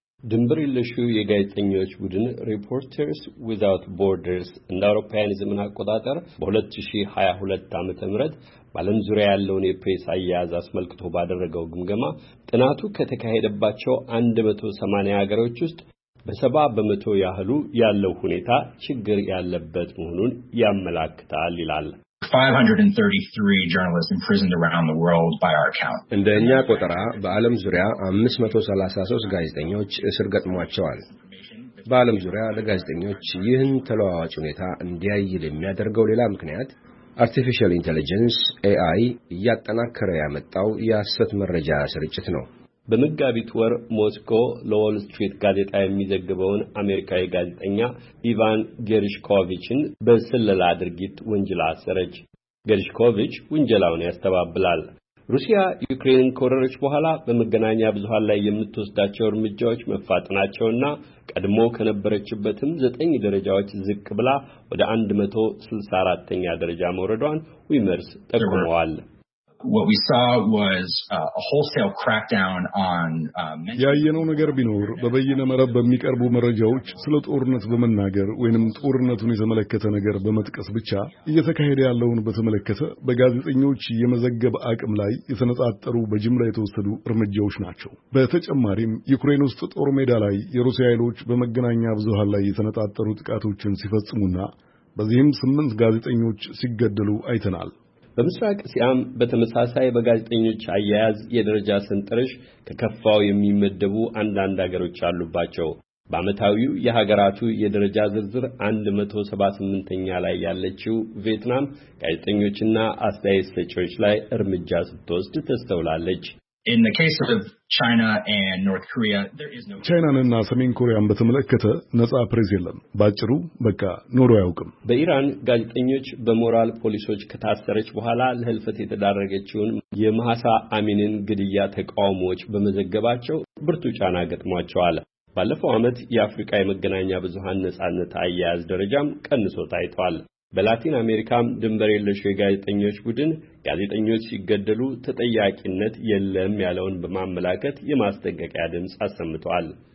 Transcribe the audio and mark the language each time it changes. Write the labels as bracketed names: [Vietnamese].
[Amharic] ድንበር የለሽ የጋዜጠኞች ቡድን Reporters Without Borders እንደ አውሮፓውያን ዘመን አቆጣጠር በ2022 ዓመተ ምህረት በዓለም ዙሪያ ያለውን የፕሬስ አያያዝ አስመልክቶ ባደረገው ግምገማ ጥናቱ ከተካሄደባቸው 180 ሀገሮች ውስጥ በ70 በመቶ ያህሉ ያለው ሁኔታ ችግር ያለበት መሆኑን ያመለክታል ይላል። [English] 533 journalists imprisoned around the world by our count. [Amharic] እንደ እኛ ቁጥራ በአለም ዙሪያ 533 ጋዜጠኞች እስር ገጥሟቸዋል። በአለም ዙሪያ ለጋዜጠኞች ይህን ተለዋዋጭ ሁኔታ እንዲያይል የሚያደርገው ሌላ ምክንያት artificial intelligence AI እያጠናከረ ያመጣው የሐሰት መረጃ ስርጭት ነው። በመጋቢት ወር ሞስኮ ለዎል ስትሪት ጋዜጣ የሚዘግበውን አሜሪካዊ ጋዜጠኛ ኢቫን ጌርሽኮቪችን በስለላ ድርጊት ወንጀላ አሰረች። ጌርሽኮቪች ወንጀላውን ያስተባብላል። ሩሲያ ዩክሬንን ኮረረች በኋላ በመገናኛ ብዙሃን ላይ የምትወስዳቸው እርምጃዎች መፋጠናቸውና ቀድሞ ከነበረችበትም 9 ደረጃዎች ዝቅ ብላ ወደ 164ኛ ደረጃ መውረዷን ዊመርስ ጠቁመዋል። [English] What we saw was a wholesale crackdown on [Amharic] ያየነው ነገር ቢኖር በበይነ መረብ በሚቀርቡ መረጃዎች ስለ ጦርነት በመናገር ወይንም ጦርነቱን የተመለከተ ነገር በመጥቀስ ብቻ እየተካሄደ ያለውን በተመለከተ በጋዜጠኞች የመዘገብ አቅም ላይ የተነጻጠሩ በጅምላ የተወሰዱ እርምጃዎች ናቸው። በተጨማሪም ዩክሬን ውስጥ ጦር ሜዳ ላይ የሩሲያ ኃይሎች በመገናኛ ብዙሃን ላይ የተነጣጠሩ ጥቃቶችን ሲፈጽሙና በዚህም 8 ጋዜጠኞች ሲገደሉ አይተናል። በምስራቅ እስያም በተመሳሳይ በጋዜጠኞች አያያዝ የደረጃ ሰንጠረዥ ከከፋው የሚመደቡ አንዳንድ ሀገሮች አሉባቸው። በአመታዊው የሀገራቱ የደረጃ ዝርዝር 178ኛ ላይ ያለችው ቪየትናም ጋዜጠኞችና አስተያየት ሰጪዎች ላይ እርምጃ ስትወስድ ተስተውላለች። [English] In the case of China and North Korea, there is no China and North Korea and Korea [Amharic] በተመለከተ ነጻ ፕሬስ የለም። ባጭሩ በቃ ኖሮ ያውቅም። በኢራን ጋዜጠኞች በሞራል ፖሊሶች ከታሰረች በኋላ ለህልፈት የተዳረገችውን የማሳ አሚንን ግድያ ተቃውሞዎች በመዘገባቸው ብርቱ ጫና ገጥሟቸዋል። ባለፈው አመት የአፍሪካ የመገናኛ ብዙሃን ነጻነት አያያዝ ደረጃም ቀንሶ ታይቷል። በላቲን አሜሪካም ድንበር የለሽ የጋዜጠኞች ቡድን ጋዜጠኞች ሲገደሉ ተጠያቂነት የለም ያለውን በማመላከት የማስጠንቀቂያ ድምጽ አሰምቷል።